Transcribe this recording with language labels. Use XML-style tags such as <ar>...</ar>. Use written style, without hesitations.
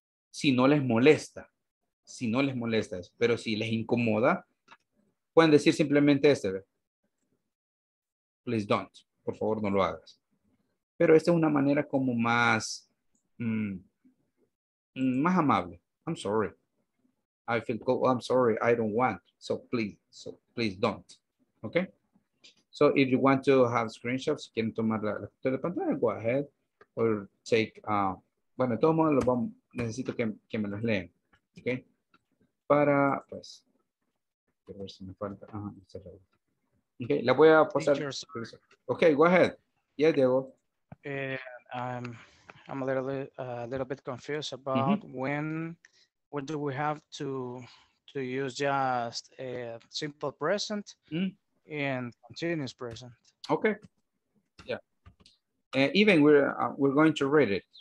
<es>Si no les molesta, si no les molesta eso, pero si les incomoda, pueden decir simplemente este,</es> <en>please don't,</en> <es>por favor no lo hagas. Pero esta es una manera como más, más amable.</es> <en>I'm sorry, I feel cold, I'm sorry, I don't want, so please don't, okay? So if you want to have screenshots,</en> <es>si quieren tomar la foto de pantalla,</es> <en>go ahead or take,</en> <es>bueno, de todos modos lo vamos, necesito que me los lean, ok? Para, pues, a ver si me falta, ok, la voy a pasar.</es> <en>Ok, go ahead. Yeah, Diego. I'm a little bit confused about when do we have to use just a simple present. Mm-hmm. And continuous present. Okay. Yeah. Even we're going to read it.</en>